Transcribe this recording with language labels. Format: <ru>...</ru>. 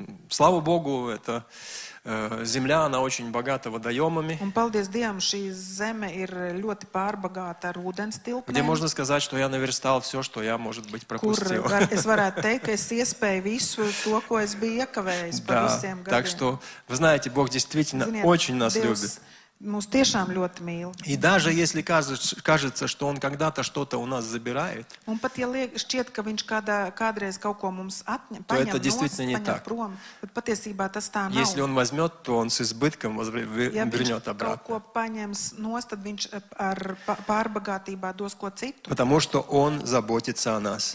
<ru>Слава Богу, это... Земля, она очень богата водоемами.</ru> <lv>Un, paldies Dievam, šī zeme ir ļoti pārbagāta ar ūdens tilpnēm.</lv> <ru>Где можно сказать, что я наверстал все, что я, может быть, пропустил.</ru> <lv>Kur es varētu teikt, ka es iespēju visu to, ko es biju iekavējis par visiem gadiem.</lv> <ru>Так что, вы знаете, Бог действительно Ziniet, очень нас Dievs любит.</ru> <lv>Mums tiešām ļoti mīl.</lv> <ru>И даже если кажется, что Он когда-то что-то у нас забирает,</ru> <lv>un, pat, ja liek, šķiet, ka Viņš kādreiz kaut ko mums atņem,</lv> <ru>то это действительно не так.</ru> <lv>Prom, bet patiesībā tas tā nav.</lv> <ru>Если Он возьмет, то Он с избытком вернет обратно.</ru> <lv>Ja Viņš kaut ko paņems nost, tad Viņš ar pārbagātībā dos ko citu.</lv> <ru>Потому что Он заботится о нас.</ru>